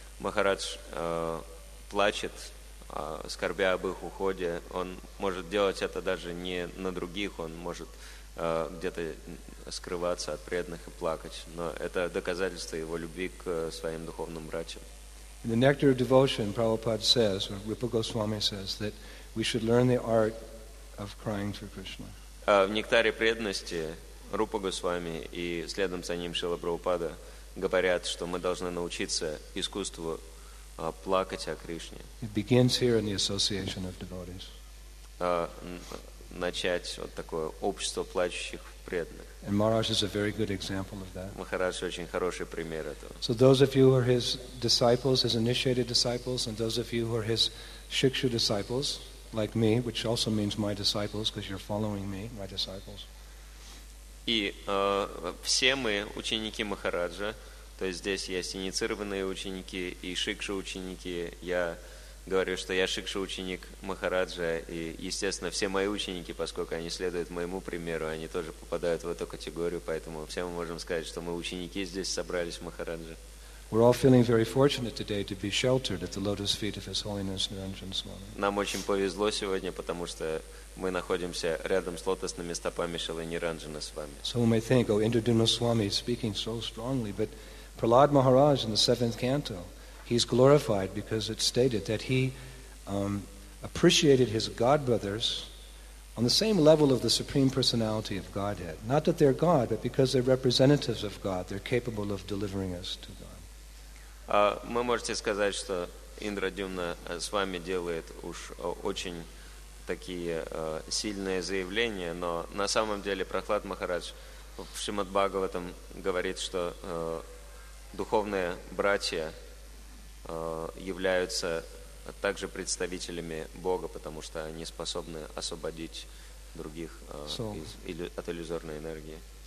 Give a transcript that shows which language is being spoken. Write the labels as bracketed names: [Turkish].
[Russian] Махарадж плачет, скорбя об их уходе. Он может делать это даже не на других, он может где-то скрываться от преданных и плакать. Но это доказательство его любви к своим духовным братьям. [English] In the nectar of devotion, Prabhupada says, or Rupa Goswami says, that we should learn the art of crying for Krishna. [Russian] В нектаре преданности Рупа Госвами и следом за ним Шрила Прабхупада говорят, что мы должны научиться искусству плакать о Кришне. [English] It begins here in the association of devotees. [Russian] Начать вот такое общество плачущих преданных. [English] And Maharaj is a very good example of that. [Russian] Махарадж очень хороший пример этого. [English] So those of you who are his disciples, his initiated disciples, and those of you who are his shikshu disciples, like me, which also means my disciples, because you're following me, my disciples. [Russian] И все мы ученики Махараджа, то есть здесь есть инициированные ученики и шикша ученики. Я говорю, что я шикша ученик Махараджа, и, естественно, все мои ученики, поскольку они следуют моему примеру, они тоже попадают в эту категорию, поэтому все мы можем сказать, что мы ученики здесь собрались в Махараджа. [English] We're all feeling very fortunate today to be sheltered at the lotus feet of His Holiness Niranjan Swami. [Russian] Нам очень повезло сегодня, потому что мы находимся рядом с лотосными стопами Шрилы Ниранджана Свами. [English] So we may think, oh, Indradyumna Swami is speaking so strongly, but Prahlad Maharaj in the seventh canto, he's glorified because it's stated that he appreciated his godbrothers on the same level of the Supreme Personality of Godhead. Not that they're God, but because they're representatives of God, they're capable of delivering us to God. [Russian] Мы можете сказать, что Индрадюмна с вами делает уж очень такие сильные заявления, но на самом деле Прохлад Махарадж в Шримад-Бхагаватам говорит, что духовные братья являются также представителями Бога, потому что они способны освободить других от иллюзорной энергии.